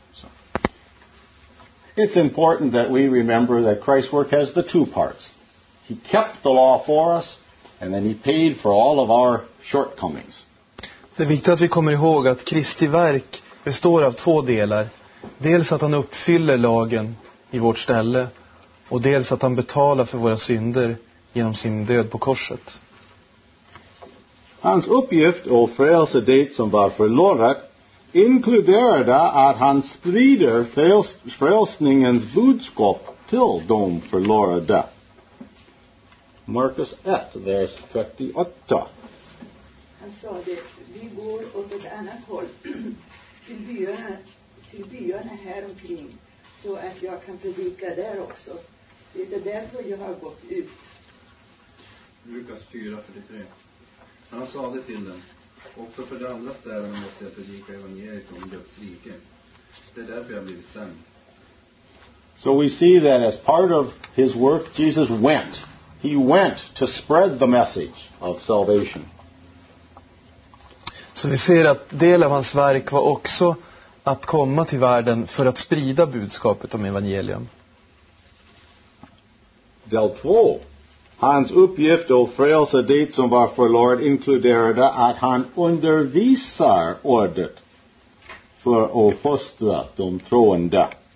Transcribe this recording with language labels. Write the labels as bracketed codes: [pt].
[en] So, it's important that we remember that Christ's work has the two parts. He kept the law for us, and then he paid for all of our shortcomings. [sv] Det är viktigt att vi kommer ihåg att Kristi verk består av två delar. Dels att han uppfyller lagen i vårt ställe, och dels att han betalar för våra synder genom sin död på korset. Hans uppgift och frälse det som var förlorat inkluderade att han sprider frälsningens budskap till de förlorade. Markus 1, vers 38. Han sa det, vi går åt ett annat håll till byarna, här omkring, så att jag kan predika där också. Det är därför jag har gått ut. Lukas 4:43. Han sa det till dem: också för de andra städerna måste jag predika evangeliet om Guds rike. Det är därför jag blivit sänd. [en] So we see that as part of his work, Jesus went. He went to spread the message of salvation. [sv] Så vi ser att del av hans verk var också att komma till världen för att sprida budskapet om evangelium. Del 2. Hans uppgift och frälsa det som var förlorat inkluderade att han undervisar ordet för att fostra de troende.